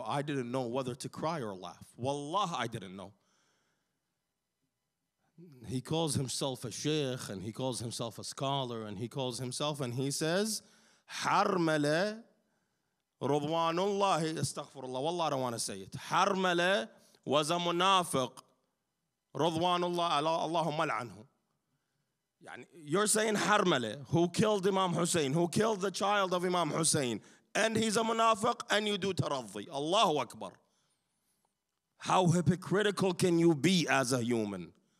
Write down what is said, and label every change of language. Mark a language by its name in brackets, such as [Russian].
[English] I didn't know whether to cry or laugh. [Arabic] والله, [English] I didn't know. He calls himself a sheikh, and he calls himself a scholar, and he calls himself, and he says, حرملة [Arabic] رضوان الله, استغفر الله, والله, [English] I don't want to say it. [Arabic] حرملة [English] was a [Arabic] منافق رضوان الله, اللهم لعنه. [English] You're saying حرملة, who killed Imam Hussein, who killed the child of Imam Hussein, and he's a منافق, and you do ترضي. [Arabic] الله أكبر. [English] How hypocritical can you be as a human?